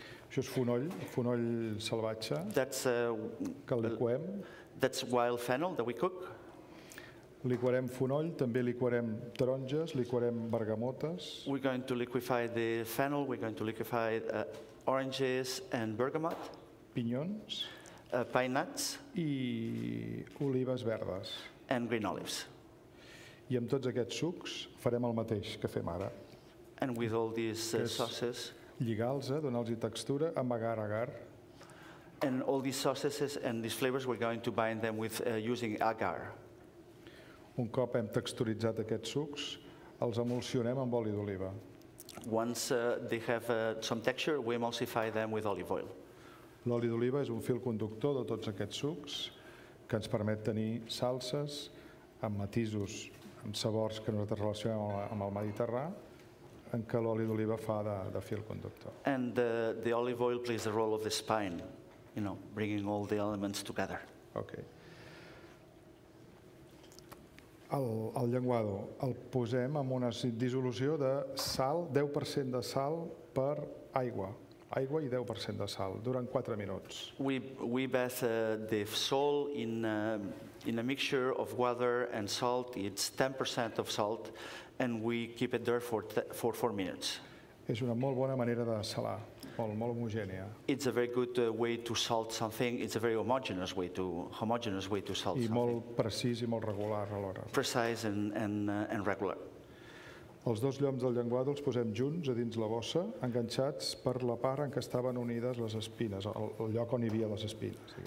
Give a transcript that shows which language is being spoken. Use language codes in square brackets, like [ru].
[ca] Això és fonoll salvatge. [en] That's [ca] que liquem. [en] That's wild fennel that we cook. [ca] Liquarem fonoll, també liquarem taronges, liquarem bergamotes. [en] We're going to liquefy the fennel. We're going to liquefy oranges and bergamot. [ca] Pinyons, [en] pine nuts, [ca] I olives verdes, [en] and green olives. [ca] I amb tots aquests sucs farem el mateix que fem ara. [en] And with all these sauces, [ca] lligar-los, donar-los textura, amagar agar. [en] And all these sauces and these flavors, we're going to bind them with using agar. [ca] Un cop hem texturitzat aquests sucs, els emulsionem amb oli d'oliva. [en] Once they have some texture, we emulsify them with olive oil. [ca] L'oli d'oliva és un fil conductor de tots aquests sucs que ens permet tenir salses amb matisos, amb sabors que nosaltres relacionem amb el Mediterrà, en què l'oli d'oliva fa de fil conductor. [en] And the olive oil plays the role of the spine, bringing all the elements together. Okay. [ca] El llenguado el posem en una dissolució de sal, 10% de sal per aigua. Aigua I 10% de sal durant 4 minuts. [en] We bath the sole in a mixture of water and salt. It's 10% of salt and we keep it there for 4 minutes. [ca] És una molt bona manera de salar, molt homogènia. [en] It's a very good way to salt something. It's a very homogeneous way to salt something. [ca] I molt precís I molt regular alhora. [en] Precise and regular. [ca] Els dos lloms del llenguado els posem junts a dins la bossa, enganxats per la part en què estaven unides les espines, el lloc on hi havia les espines.